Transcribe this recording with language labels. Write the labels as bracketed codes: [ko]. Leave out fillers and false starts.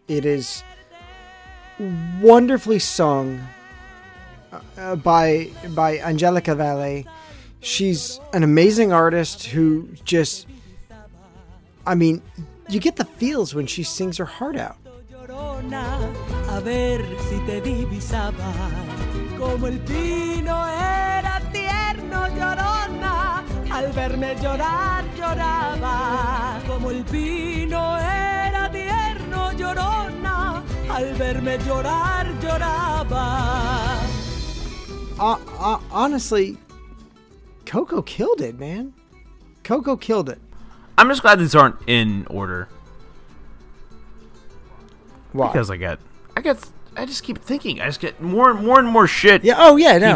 [en] It is wonderfully sung by Angelica Valle. She's an amazing artist who just, I mean, you get the feels when she sings her heart out. [es] A ver si te divisaba como el pino era tierno llorona al verme llorar lloraba como el pino era tierno llorona al verme llorar lloraba. [en] Honestly, Coco killed it, man. Coco killed it. I'm just glad these aren't in order. Why? Because I just keep thinking more and more shit. Yeah. Oh yeah. No.